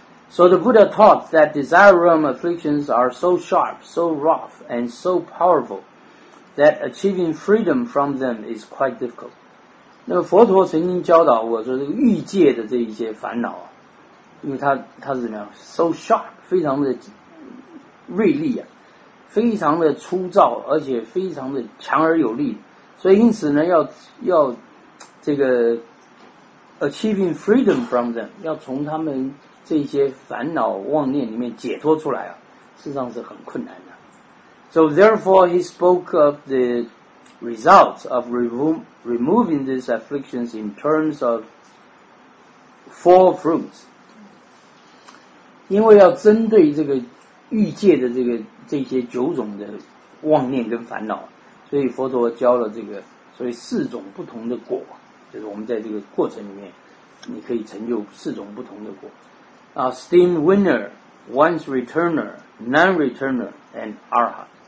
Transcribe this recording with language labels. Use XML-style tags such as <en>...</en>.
<en>So the Buddha taught that desire realm afflictions are so sharp, so rough, and so powerful. That achieving freedom from them is quite difficult.</en> <zh>那么佛陀曾经教导我说，这个欲界的这一些烦恼啊，因为它是怎么样 ？</zh> <en>So sharp，</en> <zh>非常的锐利啊，非常的粗糙，而且非常的强而有力。所以因此呢，要这个</zh> <en>achieving freedom from them，</en> <zh>要从他们这些烦恼妄念里面解脱出来啊，事实上是很困难的。</zh> <en>So therefore, he spoke of the results of removing these afflictions in terms of four fruits.</en> <zh>因为要针对这个欲界的这些九种的妄念跟烦恼，所以佛陀教了这个，所以四种不同的果，就是我们在这个过程里面，你可以成就四种不同的果。</zh> <en>啊 ，steam winner, once returner, non-returner, and arhat.</en>